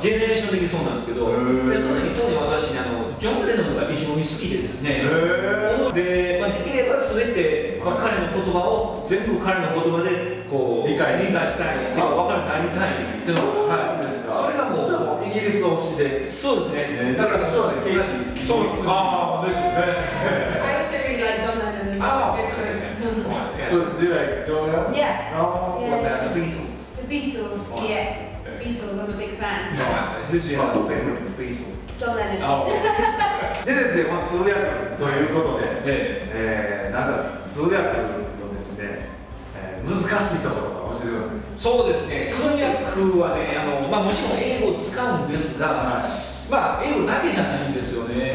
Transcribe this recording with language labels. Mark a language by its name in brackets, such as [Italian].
[Japanese] ジェネレーション的にそうなんですけど、でその時に私、ジョン・レノンが非常に好きでですね、で、できれば全て、彼の言葉を全部彼の言葉でこう理解したい、で分かるようになりたいっていうのが、はい、それがもう、イギリス推しで。そうですね、だから実はね、ケイティ、そうです、ああ、ですよね。 [English] So, do you like John Lennon? Yeah. Oh, yeah. The Beatles. The Beatles, yeah. Beatles, I'm a big fan. No, who's your favorite Beatles? John Lennon. Oh. [Japanese] でですね、この通訳ということで、なんか通訳のですね、難しいところが教えてくださいそうですね、通訳はね、もちろん英語を使うんですが、はい、英語だけじゃないんですよね、